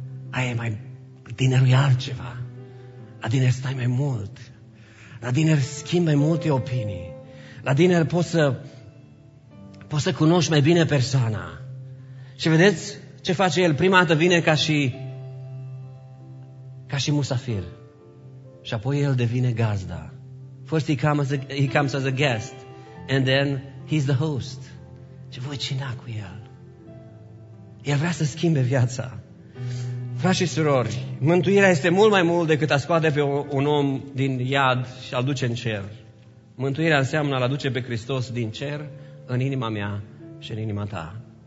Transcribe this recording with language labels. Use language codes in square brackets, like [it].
[ro] Aia e mai... Dinnerul e altceva. La dinner stai mai mult. La dinner schimbi mai multe opinii. La dinner poți să cunoști mai bine persoana. Și vedeți ce face el? Prima dată vine ca și musafir. Și apoi el devine gazda. [en] First he comes as a guest and then he's the host. [ro] Ce voi cina cu el? El vrea să schimbe viața. Frați și surori, mântuirea este mult mai mult decât a scoate pe un om din iad și a-l duce în cer. Mântuirea înseamnă a-l aduce pe Hristos din cer în inima mea și în inima ta.